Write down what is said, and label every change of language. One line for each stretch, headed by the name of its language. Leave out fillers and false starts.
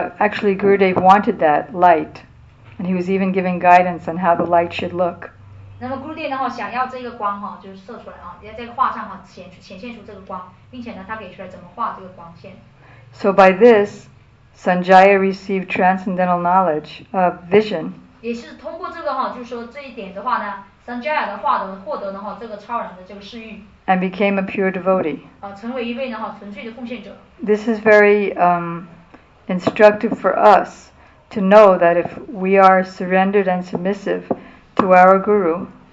English: actually, Gurudev wanted that light, and he was even giving guidance on how the light should look.
Chinese: 那么Gurudev呢哈，想要这个光哈，就是射出来啊，要在画上哈显现出这个光，并且呢，他给出来怎么画这个光线。
English: So by this, Sanjaya received transcendental knowledge, vision.
Chinese: 也是通过这个哈，就是说这一点的话呢， Sanjaya的话的获得呢哈，这个超然的这个视域。
English: And became a pure devotee.
Chinese: 成为一位呢哈，纯粹的奉献者。
English: This is very instructive for us to know that if we are surrendered and submissive to our guru.